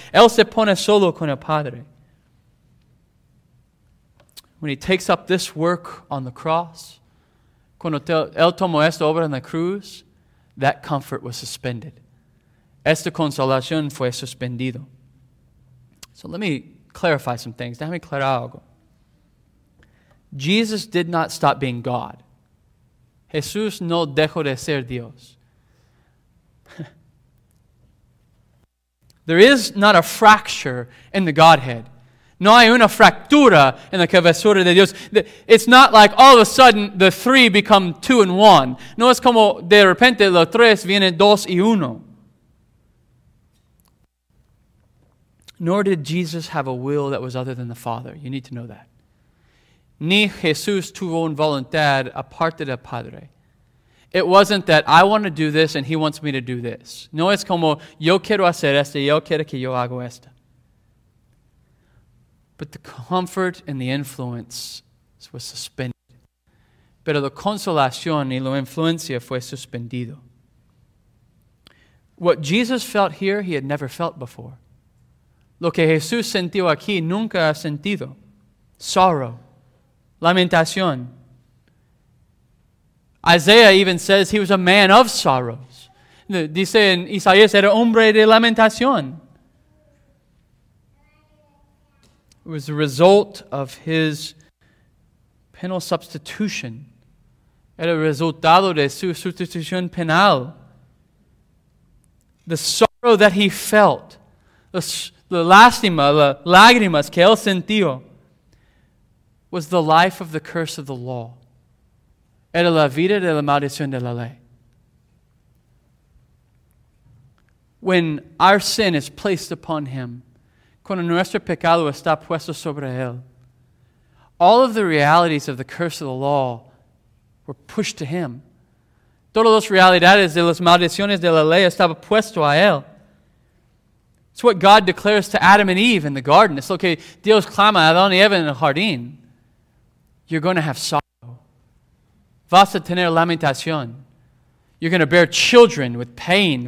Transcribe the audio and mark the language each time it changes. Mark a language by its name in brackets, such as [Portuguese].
[Spanish] Él se pone solo con el Padre. [English] When he takes up this work on the cross, [Spanish] cuando él tomó esta obra en la cruz, [English] that comfort was suspended. [Spanish] Esta consolación fue suspendido. [English] So let me clarify some things. [Spanish] Déjame aclarar algo. [English] Jesus did not stop being God. [Spanish] Jesús no dejó de ser Dios. [English] There is not a fracture in the Godhead. [Spanish] No hay una fractura en la cabezura de Dios. [English] It's not like all of a sudden the three become two and one. [Spanish] No es como de repente los tres vienen dos y uno. [English] Nor did Jesus have a will that was other than the Father. You need to know that. [Spanish] Ni Jesús tuvo una voluntad aparte del Padre. [English] It wasn't that I want to do this and he wants me to do this. [Spanish] No es como yo quiero hacer esto y yo quiero que yo hago esto. [English] But the comfort and the influence was suspended. [Spanish] Pero la consolación y la influencia fue suspendido. [English] What Jesus felt here, he had never felt before. [Spanish] Lo que Jesús sintió aquí nunca ha sentido. [English] Sorrow. [Spanish] Lamentación. [English] Isaiah even says he was a man of sorrows. [Spanish] Dice en Isaías, era hombre de lamentación. [English] It was the result of his penal substitution. [Spanish] Era resultado de su sustitución penal. [English] The sorrow that he felt, the lástima, the [Spanish] lágrimas que él sintió, [English] was the life of the curse of the law. [Spanish] Era la vida de la maldición de la ley. [English] When our sin is placed upon him, [Spanish] cuando nuestro pecado está puesto sobre él, [English] all of the realities of the curse of the law were pushed to him. [Spanish] Todas las realidades de las maldiciones de la ley estaban puestas a él. [English] It's what God declares to Adam and Eve in the garden. It's okay, [Spanish] Dios clama a Adán y Eva en el jardín. [English] You're going to have sorrow. [Spanish] Vas a tener lamentación. [English] You're going to bear children with pain.